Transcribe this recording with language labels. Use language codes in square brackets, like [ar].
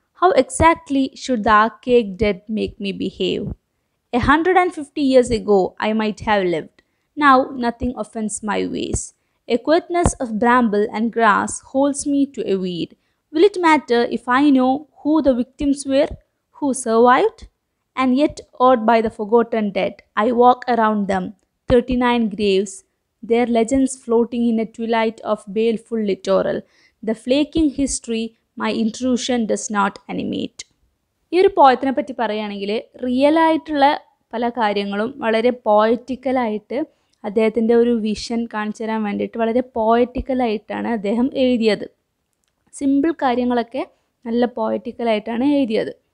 [en] How exactly should the archaic dead make me behave? 150 years ago I might have lived. Now nothing offends my ways. A quietness of bramble and grass holds me to a weed. Will it matter if I know who the victims were? Who survived and yet awed by the forgotten dead, I walk around them, 39 graves, their legends floating in a twilight of baleful littoral, the flaking history my intrusion does not animate. [ml] ഈ ഒരു പോയത്തിനെ പറ്റി പറയുകയാണെങ്കിൽ real ആയിട്ടുള്ള പല കാര്യങ്ങളും വളരെ പോയറ്റിക്കലായിട്ട് അദ്ദേഹത്തിൻ്റെ ഒരു വിഷൻ കാണിച്ചു തരാൻ വേണ്ടിയിട്ട് വളരെ പോയറ്റിക്കലായിട്ടാണ് അദ്ദേഹം എഴുതിയത്. സിമ്പിൾ കാര്യങ്ങളൊക്കെ നല്ല പോയറ്റിക്കലായിട്ടാണ് എഴുതിയത്.